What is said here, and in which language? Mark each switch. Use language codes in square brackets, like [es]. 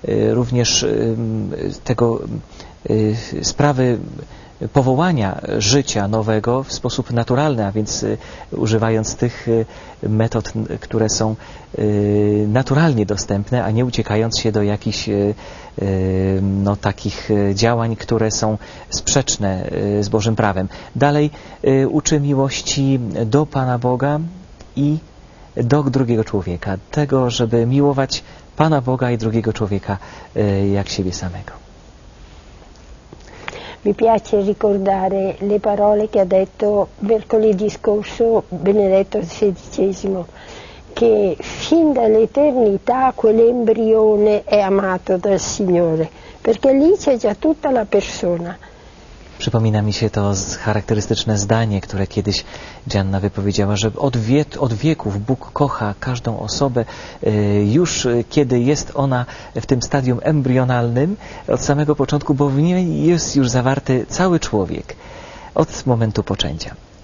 [pl] również tego sprawy powołania życia nowego w sposób naturalny, a więc używając tych metod, które są naturalnie dostępne, a nie uciekając się do jakichś no, takich działań, które są sprzeczne z Bożym prawem. Dalej uczy miłości do Pana Boga i do drugiego człowieka, tego, żeby miłować Pana Boga i drugiego człowieka jak siebie samego. [it] Mi piace ricordare le parole che ha detto mercoledì scorso Benedetto XVI, che fin dall'eternità quell'embrione è amato dal Signore, perché lì c'è già tutta la persona. [pl] Przypomina mi się to charakterystyczne zdanie, które kiedyś Gianna wypowiedziała, że od wieków Bóg kocha każdą osobę, już kiedy jest ona w tym stadium embrionalnym, od samego początku, bo w niej jest już zawarty cały człowiek od momentu poczęcia.